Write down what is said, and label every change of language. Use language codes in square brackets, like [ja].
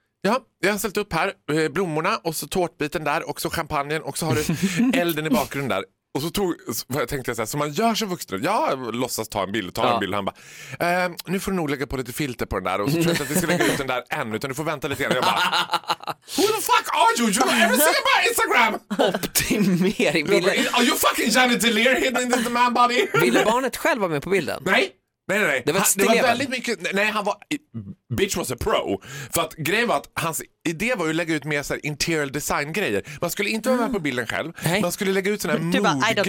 [sv] Ja, jag har ställt upp här blommorna och så tårtbiten där och så champagnen och så har du elden i bakgrunden där. Och så tog, jag tänkte så här, så man gör som vuxen. Jag låtsas ta en bild, ta en bild. Han bara, nu får du nog lägga på lite filter på den där. Och så tror jag inte att vi ska lägga ut den där än, utan du får vänta lite grann. Jag bara, [en] who the fuck are you? You have ever seen my Instagram? [sv] Optimering. [en] Are you fucking Janet Delir hidden in this man body? [sv] Ville barnet själv vara med på bilden? Nej. Det var väldigt mycket, nej han var, [en] bitch was a pro. [sv] För att grejen var att hans idé var ju att lägga ut mer så här interior design grejer. Man skulle inte vara med på bilden själv. Nej. Man skulle lägga ut sådana här mood grejer.